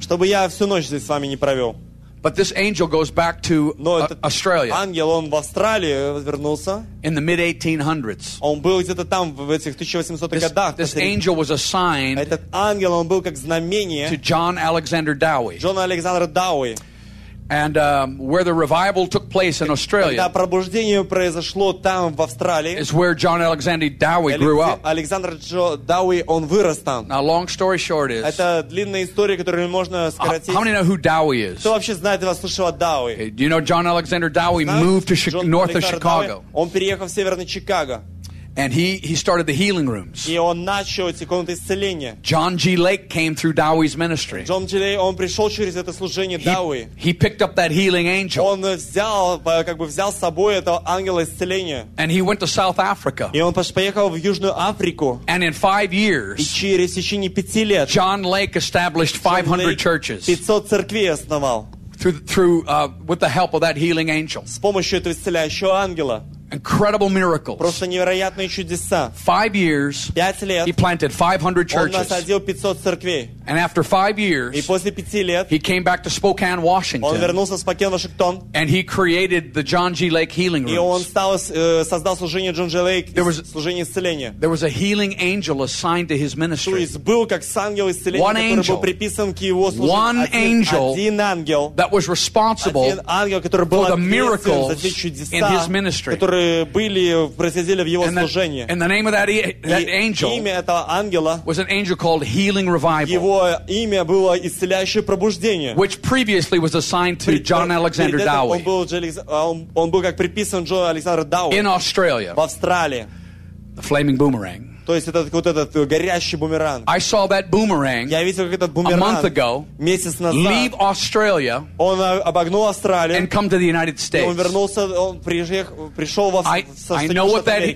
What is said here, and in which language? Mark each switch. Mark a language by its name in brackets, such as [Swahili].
[Russian] Чтобы я всю ночь здесь с вами не провел. [English] But this angel goes back to Australia. [Russian] Ангел он в Австралии вернулся. [English] In the mid 1800s. [Russian] Он был где-то там в этих 1800-х годах. [English] This angel was assigned. [Russian] Этот ангел он был как знамение. [English] To John Alexander Dowie. [Russian] Джон Александр Дауи. [English] And where the revival took place in Australia. [Russian] Когда пробуждение произошло там в Австралии. [English] Is where John Alexander Dowie grew up. [Russian] Александр Дауи он вырос там. [English] Now, long story short is. [Russian] Это длинная история, которую можно сократить. [English] How many know who Dowie is? [Russian] Кто вообще знает его, слышал о Дауи? [English] Do you know John Alexander Dowie moved to north of Chicago? [Russian] Он переехал в северный Чикаго. [English] And he started the healing rooms. [Russian] И он начал эти комнаты исцеления. [English] John G. Lake came through Dowie's ministry. [Russian] Джон Джи Лейк, он пришел через это служение Дауи. [English] He picked up that healing angel. [Russian] Он взял с собой этого ангела исцеления. [English] And he went to South Africa. [Russian] И он поехал в Южную Африку. [English] And in 5 years. [Russian] И через течение 5 лет. [English] John Lake established 500 churches. [Russian] 500 церквей основал. [English] Through with the help of that healing angel. [Russian] С помощью этого исцеляющего ангела. [English] Incredible miracles. [Russian] Просто невероятные чудеса. [English] 5 years. [Russian] 5 лет. [English] He planted 500 churches. [Russian] Он насадил 500 церквей. [English] And after 5 years. [Russian] И после 5 лет. [English] He came back to Spokane, Washington. [Russian] Он вернулся в Спокан, Вашингтон. [English] And he created the John G. Lake Healing Rooms. [Russian] И он создал служение Джон Джи Лейк. Служение исцеления. [English] There was a healing angel assigned to his ministry. [Russian] То есть был как ангел исцеления, [English] one angel, [Russian] который был приписан к его служению. [English] One angel. [Russian] Один ангел. [English] That was responsible. [Russian] Один ангел, который был ответственен за те чудеса. [English] In his ministry. [Russian] Которые были происходили в его служении. [English] And the name of that angel. [Russian] Имя этого ангела. [English] Was an angel called Healing Revival. [Russian] Его имя было исцеляющее пробуждение. [English] Which previously was assigned to John Alexander Dowie. [Russian] Он был как приписан Джон Александр Дауи. [English] In Australia. [Russian] В Австралии. [English] The flaming boomerang. [Russian] То есть это вот этот горящий бумеранг. [English] I saw that boomerang. [Russian] Я видел, как этот бумеранг. [English] A month ago. [Russian] Месяц назад. [English] Leave Australia. [Russian] Он обогнул Австралию. [English] And come to the United States. [Russian] И он вернулся, он пришел в Соединенные Штаты.